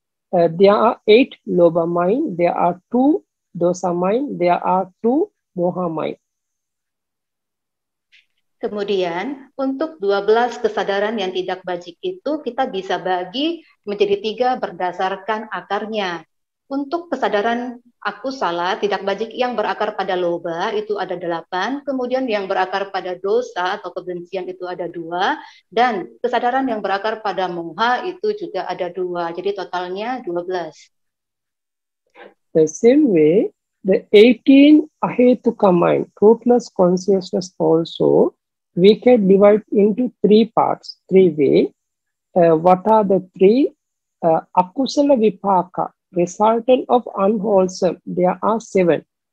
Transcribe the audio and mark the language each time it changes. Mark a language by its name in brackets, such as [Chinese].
[English] There are 8 lobha mind, there are 2 dosa mind, there are 2 moha mind. [Indonesian] Kemudian untuk 12 kesadaran yang tidak bajik itu kita bisa bagi menjadi 3 berdasarkan akarnya. Untuk kesadaran aku salah, tidak bajik yang berakar pada loba itu ada 8, kemudian yang berakar pada dosa atau kebencian itu ada 2, dan kesadaran yang berakar pada moha itu juga ada 2, jadi totalnya 12. [English] The same way, the 18 ahetuka mind, fruitless consciousness also, we can divide into 3 parts, 3 way. What are the 3? Akusala vipaka, resultant of unwholesome, there are 7.